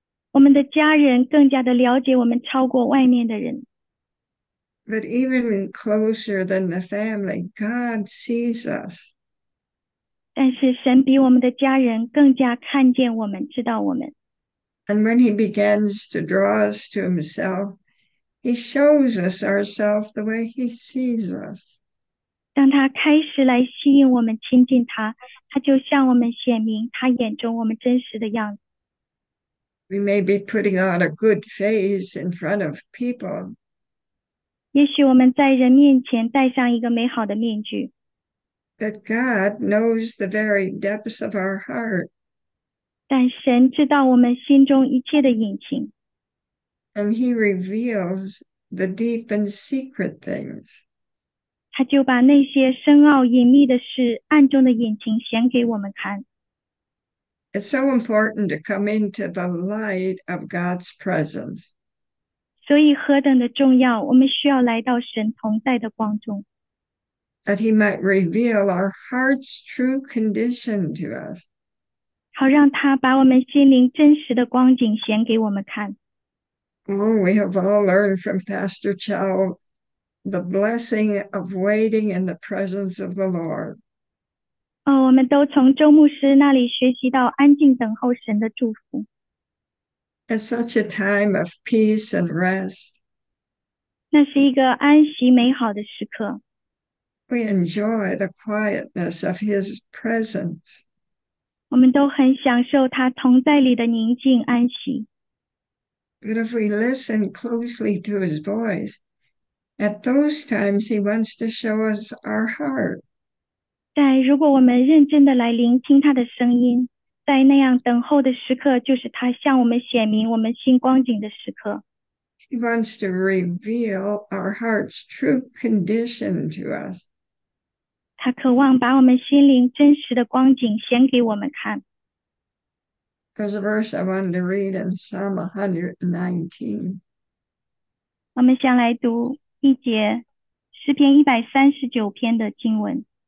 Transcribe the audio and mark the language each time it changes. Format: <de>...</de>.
<zh>我们的家人更加的了解我们，超过外面的人。</zh> <en>But even closer than the family, God sees us.</en> <zh>但是神比我们的家人更加看见我们，知道我们。</zh> <en>And when He begins to draw us to Himself, He shows us ourselves the way He sees us.</en> <zh>当他开始来吸引我们亲近他，他就向我们显明他眼中我们真实的样子。</zh> <en>We may be putting on a good face in front of people.</en> <zh>也许我们在人面前戴上一个美好的面具，</zh> <en>But God knows the very depths of our heart.</en> <zh>但神知道我们心中一切的隐情。</zh> <en>And He reveals the deep and secret things.</en> <zh>他就把那些深奥隐秘的事、暗中的隐情显给我们看。</zh> <en>It's so important to come into the light of God's presence.</en> <zh>所以何等的重要，我们需要来到神同在的光中，</zh> <en>That He might reveal our heart's true condition to us.</en> <zh>好让他把我们心灵真实的光景显给我们看。</zh> <en>Oh, we have all learned from Pastor Chow the blessing of waiting in the presence of the Lord.</en> <zh>哦，我们都从周牧师那里学习到安静等候神的祝福。</zh> <en>It's such a time of peace and rest.</en> <zh>那是一个安息美好的时刻。</zh> <en>We enjoy the quietness of His presence.</en> <zh>我们都很享受他同在里的宁静安息。</zh> <en>But if we listen closely to His voice, at those times He wants to show us our heart.</en> <zh>但如果我们认真的来聆听他的声音，在那样等候的时刻，就是他向我们显明我们心光景的时刻。</zh> <en>He wants to reveal our heart's true condition to us.</en> <zh>他渴望把我们心灵真实的光景显给我们看。</zh> <en>There's a verse I wanted to read in Psalm 119.</en> <zh>我们先来读一节诗篇139篇的经文。</zh>